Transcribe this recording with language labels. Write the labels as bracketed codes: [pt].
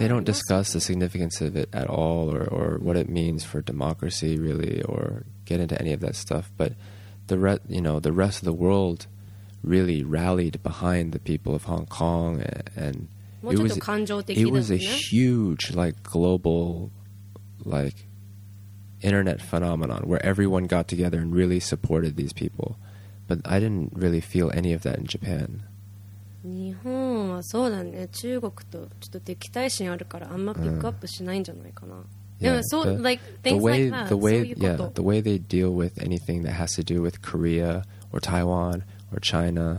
[en] they don't discuss the significance of it at all or what it means for democracy really or get into any of that stuff, but the rest of the world really rallied behind the people of Hong Kong and it was a huge like global like internet phenomenon where everyone got together and really supported these people. But I didn't really feel any of that in Japan. [ja] 日本はそうだね、中国とちょっと敵対心あるからあんまピックアップしないんじゃないかな。 [en] Yeah, [ja] でもそう、 [en] like things the way, like that. The way, [ja] そういうこと。 [en] Yeah, the way they deal with anything that has to do with Korea or Taiwan or China.